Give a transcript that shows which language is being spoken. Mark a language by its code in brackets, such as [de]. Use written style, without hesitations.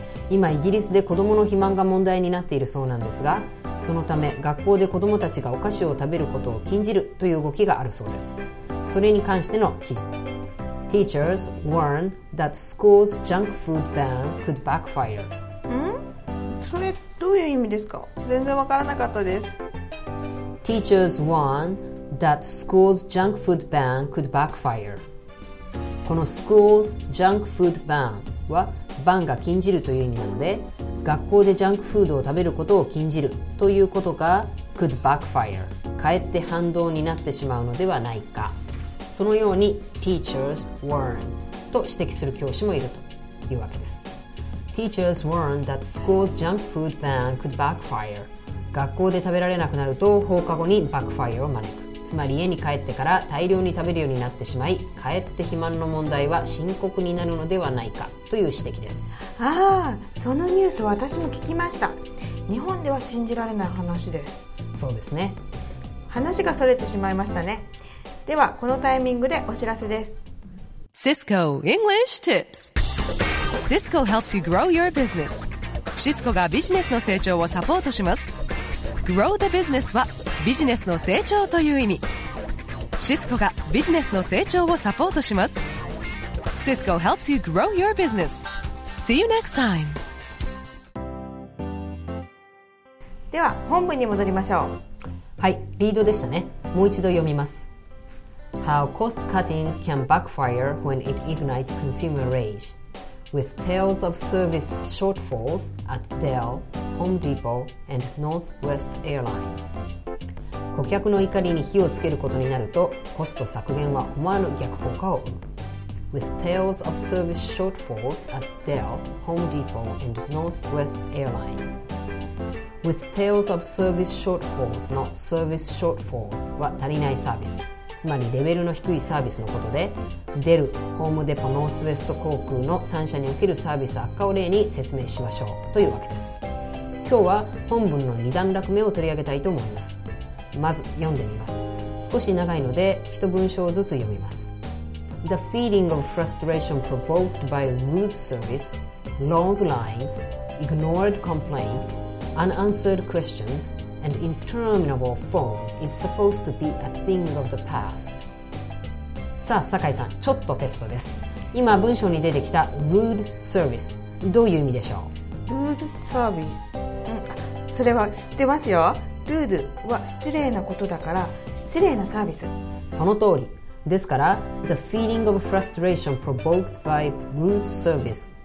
[ja] 今イギリスで子どもの肥満が問題になっているそうなんですが、そのため学校で子どもたちがお菓子を食べることを禁じるという動きがあるそうです。それに関しての記事、 [en] Teachers warn that school's junk food ban could backfire。 [ja] それどういう意味ですか。全然わからなかったです。 [en] Teachers warn that school's junk food ban could backfire。 [ja] この school's junk food ban は、バンが禁じるという意味なので、学校でジャンクフードを食べることを禁じるということが、 [en] could backfire、 [ja] かえって反動になってしまうのではないか、そのように [en] teachers warn [ja] と指摘する教師もいるというわけです。 [en] Teachers warned that school's junk food ban could backfire. [ja] 学校で食べられなくなると放課後に backfire を招く。つまり家に帰ってから大量に食べるようになってしまい、帰って肥満の問題は深刻になるのではないかという指摘です。ああ、そのニュースは私も聞きました。日本では信じられない話です。そうですね。話がそれてしまいましたね。ではこのタイミングでお知らせです。 [en] Cisco English Tips。 Cisco helps you grow your business. [ja] Cisco がビジネスの成長をサポートします。 [en] Grow the business [ja] はビジネスの成長という意味。 Cisco がビジネスの成長をサポートします。 [en] Cisco helps you grow your business. See you next time. [ja] では本文に戻りましょう。はい、リードでしたね。もう一度読みます。 [en] How cost cutting can backfire when it ignites consumer rage. With tales of service shortfalls at Dell, Home Depot, and Northwest Airlines. [ja] 顧客の怒りに火をつけることになるとコスト削減は思わぬ逆効果を生む。 [en] With tales of service shortfalls at Dell, Home Depot, and Northwest Airlines. With tales of service shortfalls [ja] の service shortfalls は足りないサービス、つまりレベルの低いサービスのことで、デル、ホームデポ、ノースウェスト航空の3社におけるサービス悪化を例に説明しましょうというわけです。今日は本文の2段落目を取り上げたいと思います。まず読んでみます。少し長いので一文章ずつ読みます。 [en] The feeling of frustration provoked by rude service, long lines, ignored complaintsUnanswered questions and interminable phone is supposed to be a thing of the past. [ja] さあ、坂井さん、ちょっとテストです。今文章に出てきた rude service、どういう意味でしょう？ Rude service、それは知ってますよ。 Rude は失礼なことだから、失礼なサービス。その通り。ですから、 [en] The feeling of frustration provoked by rude service.